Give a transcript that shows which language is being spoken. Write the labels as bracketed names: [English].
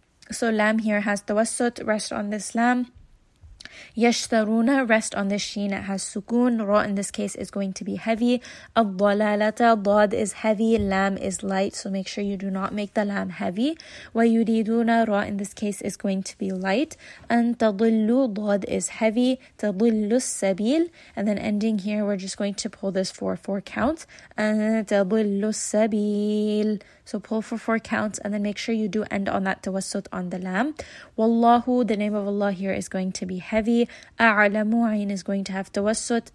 [English] So lam here has tawassut, rest on this lam. يَشْتَرُونَ, rest on this sheen, it has sukun. Ra in this case is going to be heavy. الضَّلَالَةَ, ضَاد is heavy. Lam is light, so make sure you do not make the lam heavy. وَيُرِيدُونَ, ra in this case is going to be light. [Arabic] أَن تَضِلُّ, ضَاد [English] is heavy. [Arabic] تَضِلُّ السَّبِيل. [English] And then ending here, we're just going to pull this for four counts. [Arabic] أَن تَضِلُّ السَّبِيل. [English] So pull for four counts, and then make sure you do end on that tawassut on the lam. Wallahu, the name of Allah here is going to be heavy. A'alamu, ayin is going to have tawassut.